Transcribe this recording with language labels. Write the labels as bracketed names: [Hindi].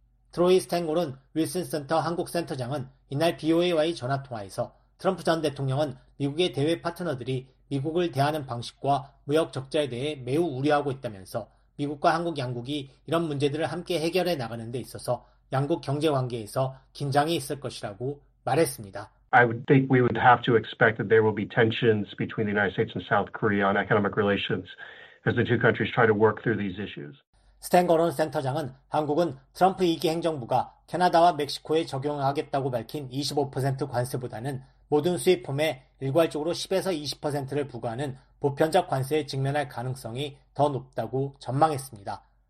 [Korean] 트로이 스탱골은 윌슨 센터 한국 센터장은 이날 BOA와의 전화통화에서 트럼프 전 대통령은 미국의 대외 파트너들이 미국을 대하는 방식과 무역 적자에 대해 매우 우려하고 있다면서 미국과 한국 양국이 이런 문제들을 함께 해결해 나가는 데 있어서 양국 경제 관계에서 긴장이 있을 것이라고 말했습니다. [English] I would think we would have to expect that there will be tensions between the United States and South Korea on economic relations as the two countries try to work through these issues. [Korean] 스탱거론 센터장은 한국은 트럼프 2기 행정부가 캐나다와 멕시코에 적용하겠다고 밝힌 25% 관세보다는 모든 수입품에 일괄적으로 10에서 20%를 부과하는 보편적 관세에 직면할 가능성이 더 높다고 전망했습니다.